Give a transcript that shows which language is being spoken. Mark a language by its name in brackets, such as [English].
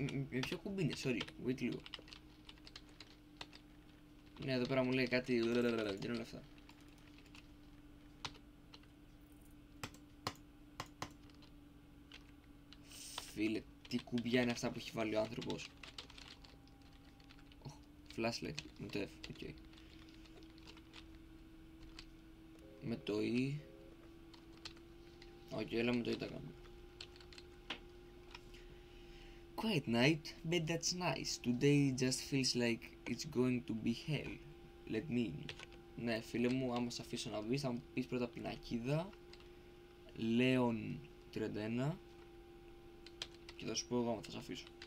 [Greek] Με ποιο κουμπί είναι, [English] sorry, wait [Greek] λίγο. Ναι, εδώ πέρα μου λέει κάτι, και όλα αυτά. Φίλε, τι κουμπιά είναι αυτά που έχει βάλει ο άνθρωπος. [English] Oh, flashlight, [Greek] με το F, ok. Με το E. Ok, έλα με το E τα κάνω. [English] Quiet night, but that's nice. Today just feels like it's going to be hell. Let me in. [Greek] Ναι, φίλε μου, άμα σε αφήσω να μπεις, θα μου πεις πρώτα πινακίδα. Leon 31. Και θα σου πω εγώ άμα θα σε αφήσω.